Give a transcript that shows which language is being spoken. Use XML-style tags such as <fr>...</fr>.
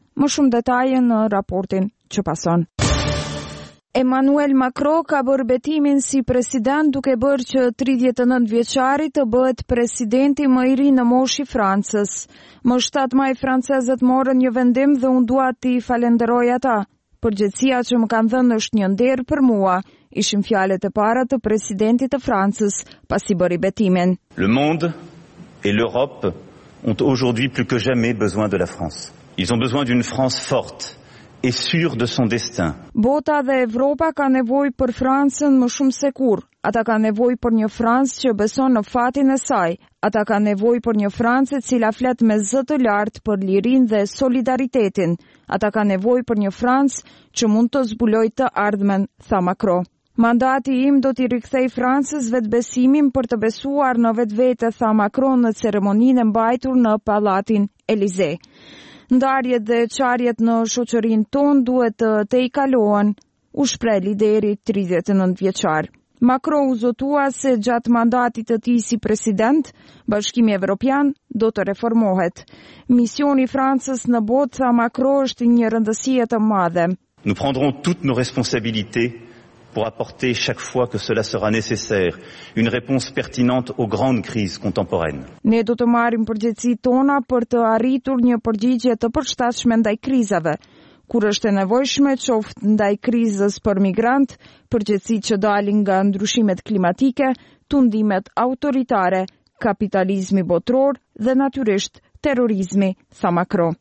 <sq>Më shumë detaje në raportin që pason. Emmanuel Macron ka bërë betimin si president duke bërë që 39-vjeçari të bëhet presidenti më i ri në moshë i Francës. Më 7 maj francezët morën një vendim dhe unë dua t'i falenderoj ata. Përgjegjësia që më kanë dhënë është një nder për mua, ishin fjalet e para të presidentit të Francës pasi bëri betimin.</sq> <fr>Le monde et l'Europe ont aujourd'hui plus que jamais besoin de la France. Ils ont besoin d'une France forte. Et sûr de son destin.</fr> <sq>Bota dhe Evropa ka nevojë për Francën më shumë se kur. Ata ka nevojë për një Francë që beson në fatin e saj. Ata ka nevojë për një Francë e cila flet me zë të lartë për lirinë dhe solidaritetin. Ata ka nevojë për një Francë që mund të zbulojë të ardhmen, tha Macron. Mandati im do t'i rikthej Francës vetbesimin për të besuar në vetvete, tha Macron në ceremoninë mbajtur në Pallatin Elysée. Ndarjet dhe qarjet në shoqërinë tonë duhet të i kalohen, u shpreh lideri 39-vjeçar. Macron u zotua se gjatë mandatit të tij si president, Bashkimi Evropian do të reformohet. Misioni i Francës në botë, tha Macron, është një rëndësie të madhe.</sq> <fr>Nous prendrons toutes nos responsabilités pour apporter chaque fois que cela sera nécessaire une réponse pertinente aux grandes crises contemporaines.</fr> <sq>Ne do të marrim përgjegjësitë tona për të arritur një përgjigje të përshtatshme ndaj krizave, kur është e nevojshme, qoftë ndaj krizës për migrant, përgjegjësitë që dalin nga ndryshimet klimatike, tundimet autoritare, kapitalizmi botror dhe natyrisht terrorizmi, tha Macron.</sq>